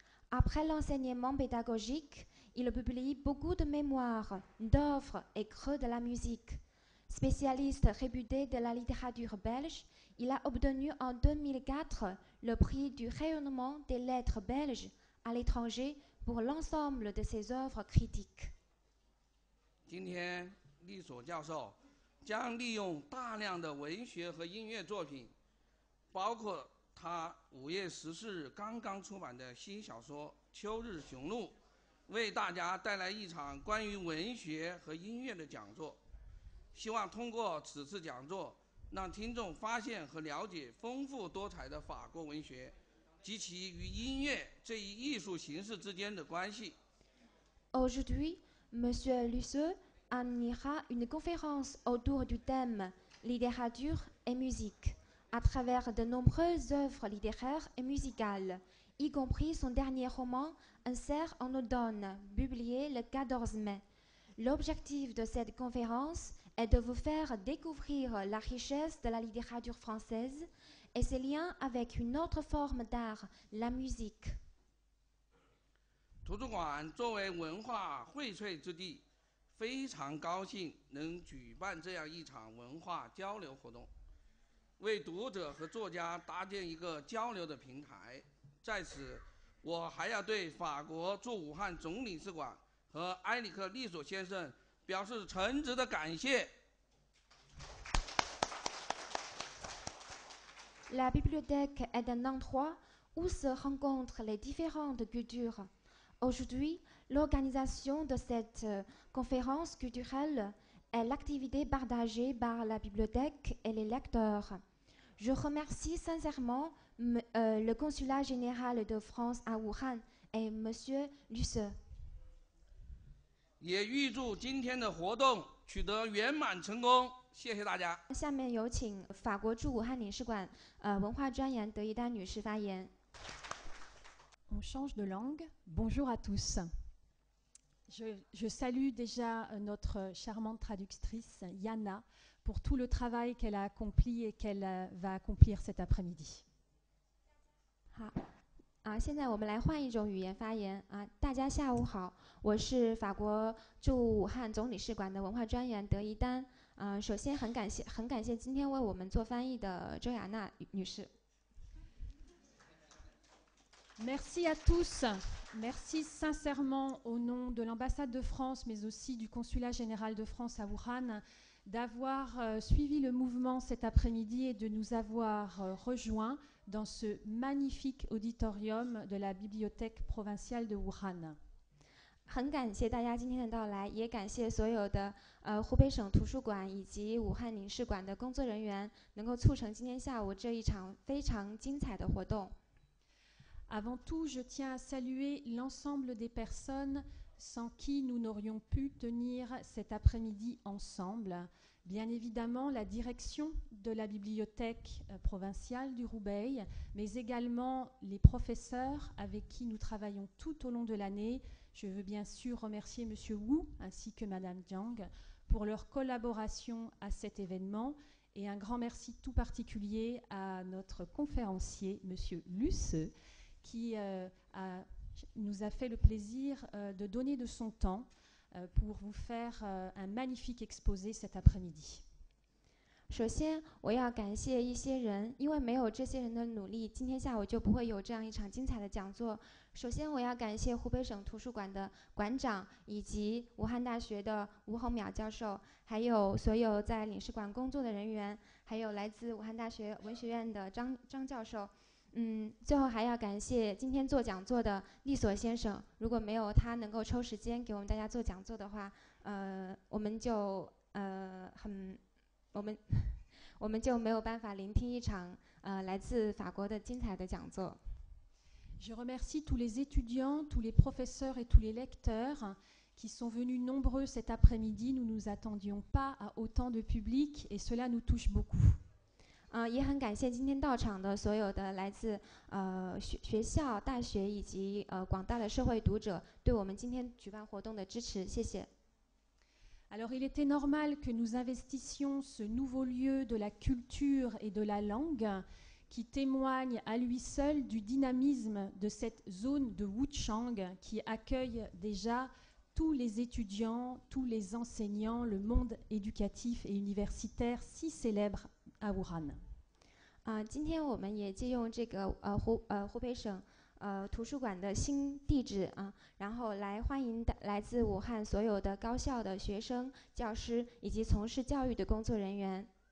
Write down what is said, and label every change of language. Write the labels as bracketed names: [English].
[French] Après l'enseignement pédagogique, il publie beaucoup de mémoires, d'œuvres et creux de la musique. Spécialiste réputé de la littérature belge, il a obtenu en 2004 le prix du rayonnement des lettres belges à l'étranger pour l'ensemble de ses œuvres critiques. [Chinese] 今天，利索教授将利用大量的文学和音乐作品，包括他5月14日刚刚出版的新小说《秋日雄鹿》，为大家带来一场关于文学和音乐的讲座。希望通过此次讲座让听众发现和了解丰富多彩的法国文学及其与音乐这一艺术形式之间的关系。 [French] Aujourd'hui, M. Lisseau animera une conférence autour du thème littérature et musique à travers de nombreuses œuvres littéraires et musicales, y compris son dernier roman Un cerf en automne, publié le 14 mai. L'objectif de cette conférenceest de vous faire découvrir la richesse de la littérature française et ses liens avec une autre forme d'art, la musique. [Chinese] 图书馆作为文化荟萃之地，非常高兴能举办这样一场文化交流活动，为读者和作家搭建一个交流的平台。在此，我还要对法国驻武汉总领事馆和埃里克·利索先生表示诚挚的感谢。 [French] La bibliothèque est un endroit où se rencontrent les différentes cultures. Aujourd'hui, l'organisation de cette conférence culturelle est l'activité partagée par la bibliothèque et les lecteurs. Je remercie sincèrement le consulat général de France à Wuhan et M. Luce. [Chinese] 也预祝今天的活动取得圆满成功，谢谢大家。下面有请法国驻武汉领事馆文化专员德一丹女士发言。 [French] On change de langue. Bonjour à tous. Je salue déjà notre charmante traductrice Yana pour tout le travail qu'elle a accompli et qu'elle va accomplir cet après-midi. [Chinese] 好。现在我们来换一种语言发言大家下午好，我是法国驻武汉总领事馆的文化专员德一丹。首先很感谢今天为我们做翻译的周雅娜女士。 [French] Merci à tous, merci sincèrement au nom de l'ambassade de France, mais aussi du consulat général de France à Wuhan, d'avoir suivi le mouvement cet après-midi et de nous avoir rejoints. Dans ce magnifique auditorium de la bibliothèque provinciale de Wuhan. [Chinese] 很感谢大家今天的到来，也感谢所有的湖北省图书馆以及武汉领事馆的工作人员，能够促成今天下午这一场非常精彩的活动。 [French] Avant tout, je tiens à saluer l'ensemble des personnes sans qui nous n'aurions pu tenir cet après-midi ensemble. Bien évidemment, la direction de la bibliothèque provinciale du Roubaix, mais également les professeurs avec qui nous travaillons tout au long de l'année. Je veux bien sûr remercier M. Wu ainsi que Mme Jiang pour leur collaboration à cet événement. Et un grand merci tout particulier à notre conférencier, M. Luce, qui nous a fait le plaisir de donner de son temps. Pour vous faire un magnifique exposé cet après-midi. [Chinese] 首先，我要感谢一些人，因为没有这些人的努力，今天下午就不会有这样一场精彩的讲座。首先，我要感谢湖北省图书馆的馆长以及武汉大学的吴宏淼教授，还有所有在领事馆工作的人员，还有来自武汉大学文学院的张教授。最后还要感谢今天做讲座的利索先生，如果没有他能够抽时间给我们大家做讲座的话，我们就没有办法聆听一场来自法国的精彩的讲座。 [French] Je remercie tous les étudiants, tous les professeurs et tous les lecteurs qui sont venus nombreux cet après-midi. Nous nous attendions pas à autant de public et cela nous touche beaucoup. [Chinese] 也很感谢今天到场的所有的来自学校、大学以及广大的社会读者对我们今天举办活动的支持，谢谢。 [French] Alors, il était normal que nous investissions ce nouveau lieu de la culture et de la langue, qui témoigne à lui seul du dynamisme de cette zone de Wuchang, qui accueille déjà tous les étudiants, tous les enseignants, le monde éducatif et universitaire si célèbre. À Wuhan. [Chinese] 今天我们也借用这个湖北省图书馆的新地址然后来欢迎来自武汉所有的高校的学生、教师以及从事教育的工作人员。